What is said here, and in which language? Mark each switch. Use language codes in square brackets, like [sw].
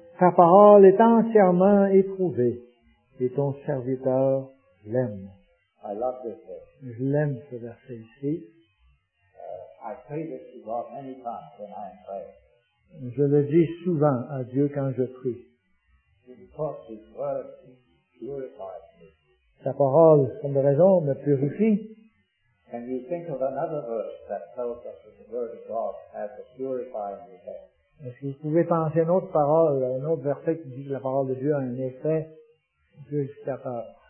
[fr] Ta parole est entièrement éprouvée et ton serviteur l'aime. [en] I love this verse. [fr] Je l'aime, ce verset ici. [en] I pray this to God many times when I am praying. [fr] Je le dis souvent à Dieu quand je prie. [en] Because his word purifies me. [fr] Sa parole, comme de raison, me purifie. [en] Can you think of another verse that tells us that the word of God has a purifying effect? [fr] Est-ce que vous pouvez penser à une autre parole, à un autre verset qui dit que la parole de Dieu a un effet purificateur?